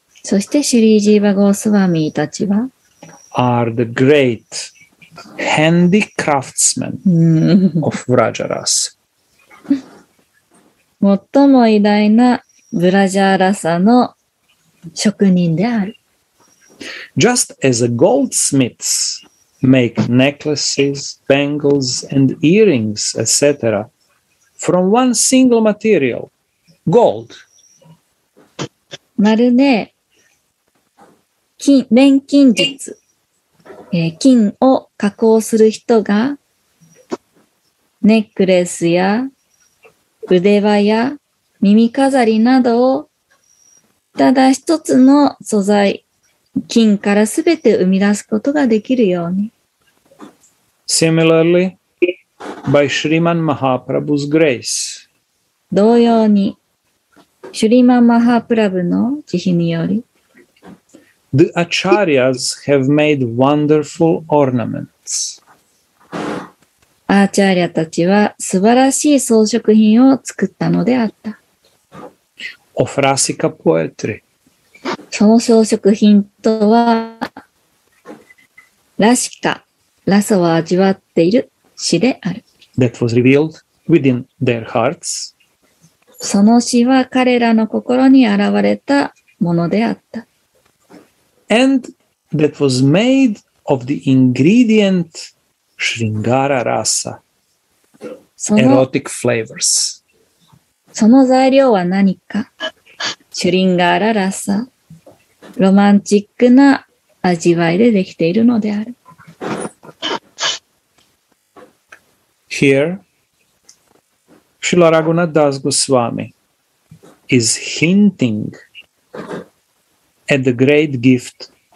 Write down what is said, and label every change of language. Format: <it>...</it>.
<ja>そしてシュリ・ジーヴァ・ゴスワミたちは</ja> <en>Are the greatHandy craftsmen of Vrajaras.</en> <ja>最も偉大なブラジャーラサの職人である。</ja> <en>Just as a goldsmiths make necklaces, bangles, and earrings, etc., from one single material, gold.</en> <ja>まるで錬金術。金を加工する人がネックレスや腕輪や耳飾りなどをただ一つの素材金からすべて生み出すことができるように。</ja> <en>Similarly, by Shriman Mahaprabhu's grace.</en> <ja>同様に、シュリマン・マハプラブの慈悲により。</ja> <en>The Acharyas have made wonderful ornaments.</en> <ja>アーチャーリアたちは素晴らしい装飾品を作ったのであった。</ja> <en>Of Rasika Poetry.</en> <ja>その装飾品とは、ラシカ、ラサを味わっている詩である。</ja> <en>That was revealed within their hearts.</en> <ja>その詩は彼らの心に現れたものであった。</ja> <en>And that was made of the ingredient Shringara Rasa, erotic flavors.</en> <ja>その材料は何か? Shringara Rasa, romantic な味わいでできているのである。</ja> <en>Here, Srila Raghunath Das Goswami is hinting at the great gift.</en>